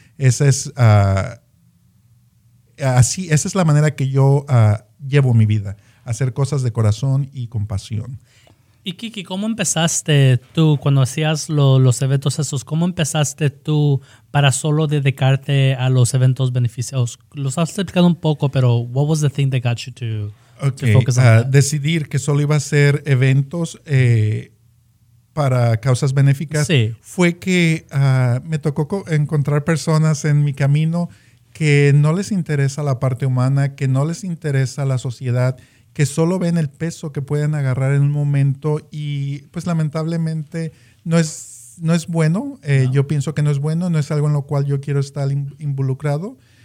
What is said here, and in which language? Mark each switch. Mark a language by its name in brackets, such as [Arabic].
[Spanish] Esa es la manera que yo llevo mi vida, hacer cosas de corazón y con pasión. Y Kiki, ¿cómo empezaste tú cuando hacías los eventos esos? ¿Cómo empezaste tú para solo dedicarte a los eventos beneficiados? Los has explicado un poco, pero [English] ¿what was the thing that got you to focus on that? [Spanish] Decidir que solo iba a hacer eventos para causas benéficas. Sí. Fue que me tocó encontrar personas en mi camino que no les interesa la parte humana, que no les interesa la sociedad, que solo ven el peso que pueden agarrar en un momento y pues lamentablemente no es bueno. No. Yo pienso que no es bueno, no es algo en lo cual yo quiero estar involucrado.